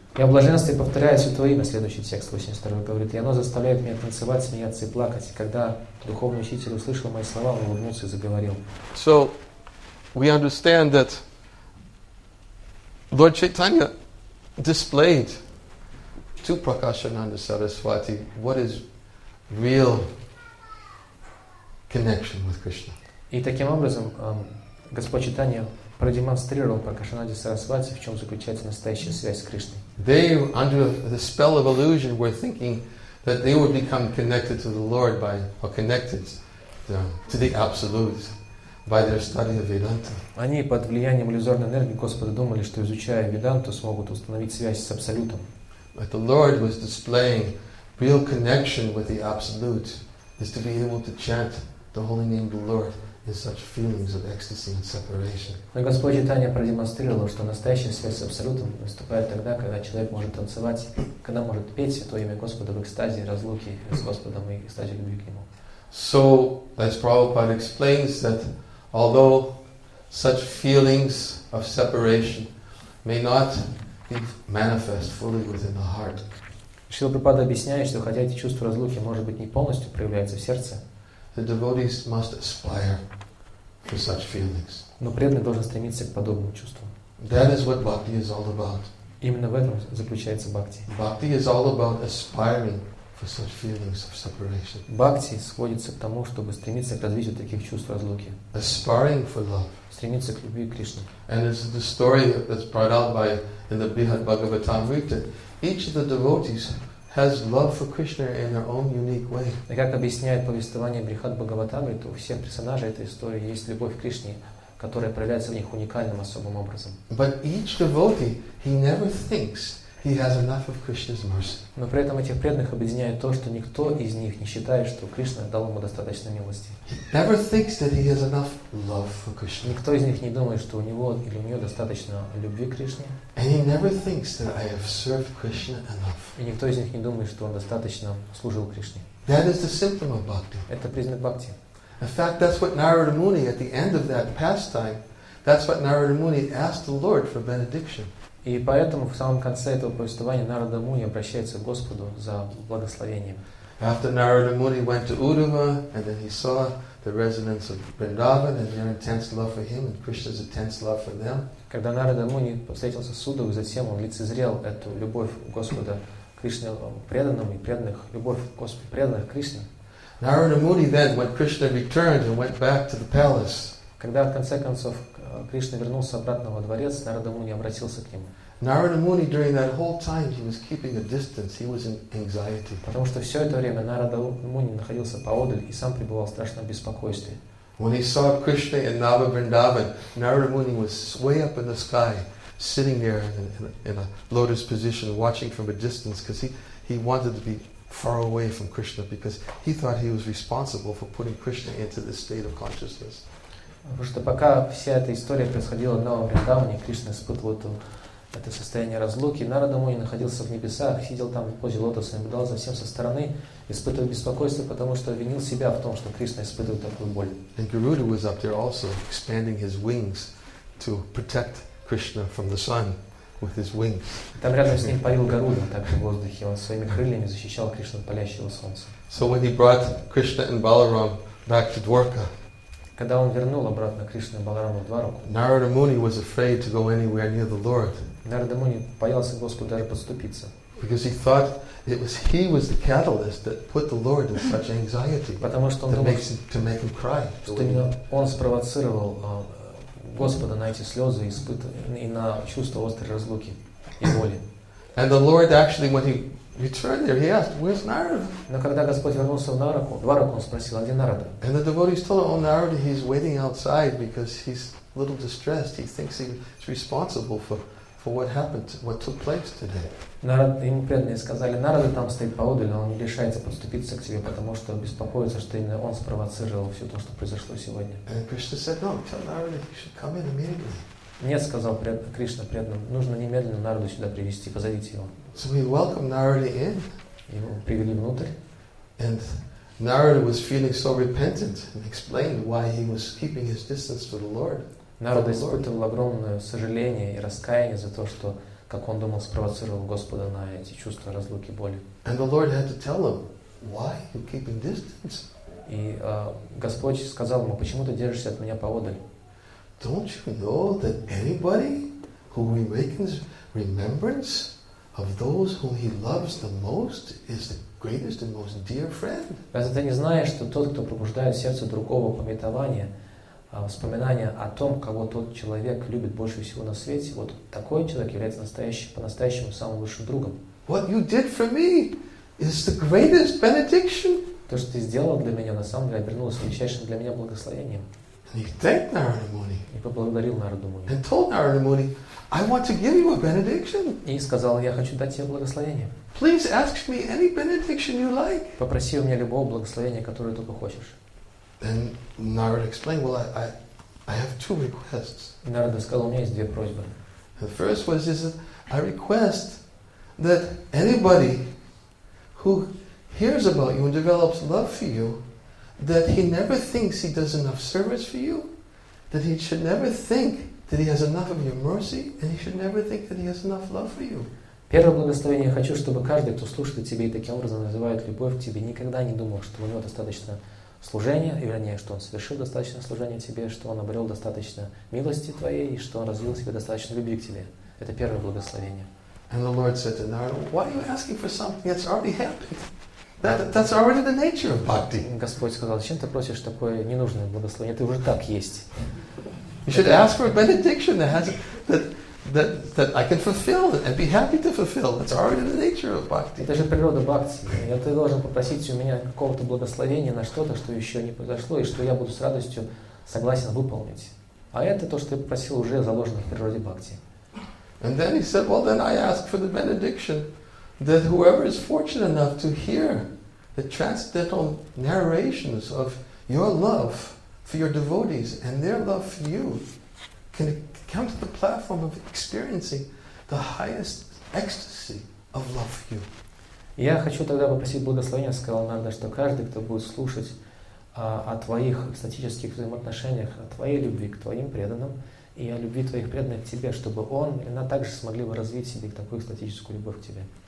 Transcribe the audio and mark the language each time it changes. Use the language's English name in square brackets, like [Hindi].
[Russian] Я в блаженстве повторяю святое имя. Следующий текст 82 говорит, и оно заставляет меня танцевать, смеяться и плакать. И когда духовный учитель услышал мои слова, он улыбнулся и заговорил. [English] So we understand that Lord Chaitanya displayed to Prakashananda Saraswati what is real connection with Krishna. [Russian] И таким образом Господь Чайтанья продемонстрировал Пракашананде Сарасвати, в чем заключается настоящая связь с Кришной. [English] They, under the spell of illusion, were thinking that they would become connected to the Lord by, or connected to the Absolute by their study of Vedanta. [Russian] Они под влиянием иллюзорной энергии Господа думали, что изучая Веданту, смогут установить связь с Абсолютом. [English] But the Lord was displaying real connection with the Absolute is to be able to chant the holy name of the Lord in such feelings of ecstasy and separation. [Russian] Но Господь Чайтанья продемонстрировал, что настоящая связь с Абсолютом наступает тогда, когда человек может танцевать, когда может петь святое имя Господа в экстазе разлуки с Господом и экстазе любви к Нему. [English] So, as Prabhupada explains, that although such feelings of separation may not be manifest fully within the heart, [Russian] Шрила Прабхупада объясняет, что хотя эти чувства разлуки, может быть, не полностью проявляются в сердце, [English] the devotees must aspire for such feelings. [Russian] Но преданный должен стремиться к подобным чувствам. [English] That is what bhakti is all about. [Russian] Именно в этом заключается бхакти. [English] Bhakti is all about aspiring for such feelings of separation. [Russian] Бхакти сводится к тому, чтобы стремиться к развитию таких чувств разлуки. [English] Aspiring for love. [Russian] Стремиться к любви к Кришне. [English] And this is the story that's brought out by in the Bihad Bhagavatamrita. Each of the devotees has love for Krishna in their own unique way. [Russian] И как объясняет повествование Брихад Бхагаватамрита, у всех персонажей этой истории есть любовь к Кришне, которая проявляется в них уникальным особым образом. [English] But each devotee, he never thinks he has enough of Krishna's mercy. [Russian] Но при этом этих преданных объединяет то, что никто из них не считает, что Кришна дал ему достаточно милости. [English] He never thinks that he has enough love for Krishna. [Russian] Никто из них не думает, что у него или у нее достаточно любви к Кришне. [English] And he never thinks that I have served Krishna enough. [Russian] И никто из них не думает, что он достаточно служил Кришне. [English] That is the symptom of bhakti. [Russian] Это признак бхакти. [English] In fact, that's what Narada Muni at the end of that pastime, that's what Narada Muni asked the Lord for benediction. [Russian] И поэтому в самом конце этого повествования Нарада Муни обращается к Господу за благословением. [English] After Narada Muni went to Uddhava, and then he saw the resonance of Vrindavan and their intense love for him and Krishna's intense love for them. [Russian] Когда Нарада Муни встретился с Судхой, затем он лицезрел эту любовь Господа Кришне преданным и преданных любовь Господа преданных Кришне. [English] Narada Muni then, when Krishna returned and went back to the palace, [Russian] когда в конце концов Кришна вернулся обратно во дворец, Нарада Муни обратился к нему. [English] Narada Muni during that whole time he was keeping a distance. He was in anxiety. [Russian] Потому что все это время Нарада Муни находился поодаль и сам пребывал в страшном беспокойстве. [English] When he saw Krishna in Nava Vrindavan, Narada Muni was way up in the sky, sitting there in a lotus position, watching from a distance, because he wanted to be far away from Krishna because he thought he was responsible for putting Krishna into this state of consciousness. [Russian] Потому что пока вся эта история происходила в Новом Вриндаване, Кришна испытывал это состояние разлуки. Нарада Муни находился в небесах, сидел там в позе лотоса, наблюдал за всем со стороны, испытывал беспокойство, потому что винил себя в том, что Кришна испытывает такую боль. [English] And Garuda was up there also, expanding his wings to protect Krishna from the sun with his wings. [Russian] Там рядом с ним парил Гаруда, так в воздухе, он своими крыльями защищал Кришну от палящего солнца. [English] So when he brought Krishna and Balaram back to Dwarka, [Russian] когда он вернул обратно Кришну и Баларама в Двараку, [English] Narada Muni was afraid to go anywhere near the Lord. [Russian] Narada Muni боялся Господу даже подступиться. [English] Because he thought it was he was the catalyst that put the Lord in such anxiety. [Russian] Потому что он думал, [English] to make him cry. [Russian] Что именно он спровоцировал Господа на эти слезы и на чувство острой разлуки и боли. [English] And the Lord actually, when he returned there, he asked, "Where's Narada?" [Russian] Но когда Господь вернулся в Нараку, Двараку, он спросил, где Нарада? [English] And the devotees told him, "Oh, Narada, he's waiting outside because he's a little distressed. He thinks he's responsible for what happened, what took place today." [Russian] Нарада ему преданные сказали, Нарада там стоит поодаль, но он не решается подступиться к тебе, потому что беспокоится, что именно он спровоцировал все то, что произошло сегодня. [English] And Krishna said, "No, tell Narada he should come in immediately." [Russian] Нет, сказал Кришна преданным, нужно немедленно Нараду сюда привести, позовите его. [English] So we welcomed Narada in. [Russian] Его привели внутрь. [English] And Narada was feeling so repentant and explained why he was keeping his distance to the Lord. [Russian] Нарада испытывал огромное сожаление и раскаяние за то, что, как он думал, спровоцировал Господа на эти чувства разлуки боли. [English] And the Lord had to tell him, why are you keeping distance? [Russian] И Господь сказал ему, почему ты держишься от меня поодаль? [English] Don't you know that anybody who awakens remembrance of those whom he loves the most is the greatest and most dear friend? [Russian] Разве ты не знаешь, что тот, кто пробуждает сердце другого пометования, воспоминания о том, кого тот человек любит больше всего на свете, вот такой человек является настоящим, по-настоящему самым лучшим другом? [English] What you did for me is the greatest benediction. [Russian] То, что ты сделал для меня, на самом деле обернулось величайшим для меня благословением. [English] And he thanked Narada Muni. [Russian] И поблагодарил Нараду Муни. [English] And told Narada Muni, "I want to give you a benediction." [Russian] И сказал, я хочу дать тебе благословение. [English] Please ask me any benediction you like. [Russian] Попроси у меня любого благословения, которое только хочешь. [English] Then Narada explained, "Well, I have two requests." [Russian] Нарада сказал, у меня есть две просьбы. [English] The first was is I request that anybody who hears about you and develops love for you, that he never thinks he does enough service for you, that he should never think that he has enough of your mercy, and he should never think that he has enough love for you. [Russian] Первое благословение я хочу, чтобы каждый, кто слушает тебе и таким образом называет любовь к тебе, никогда не думал, что у него достаточно служения, и вернее, что он совершил достаточно служения тебе, что он обрел достаточно милости твоей, и что он развил в себе достаточно любви к тебе. Это первое благословение. [English] And the Lord said to Narada, "Why are you asking for something that's already happened?" That's already the nature of bhakti. [Russian] Господь сказал, зачем ты просишь такое ненужное благословение? Ты уже так есть. [English] You should ask for a benediction that I can fulfill and be happy to fulfill. That's already the nature of bhakti. [Russian] Это же природа бхакти. Ты должен попросить у меня какого-то благословения на что-то, что еще не произошло, и что я буду с радостью согласен выполнить. А это то, что ты попросил, уже заложено в природе бхакти. [English] And then he said, "Well, then I ask for the benediction that whoever is fortunate enough to hear the transcendental narrations of your love for your devotees and their love for you can come to the platform of experiencing the highest ecstasy of love for you." [Russian] Я хочу тогда попросить благословения, сказал Нарада, что каждый, кто будет слушать о твоих экстатических взаимоотношениях, о твоей любви к твоим преданным и о любви твоих преданных к тебе, чтобы он и она также смогли бы развить себе такую экстатическую любовь к тебе.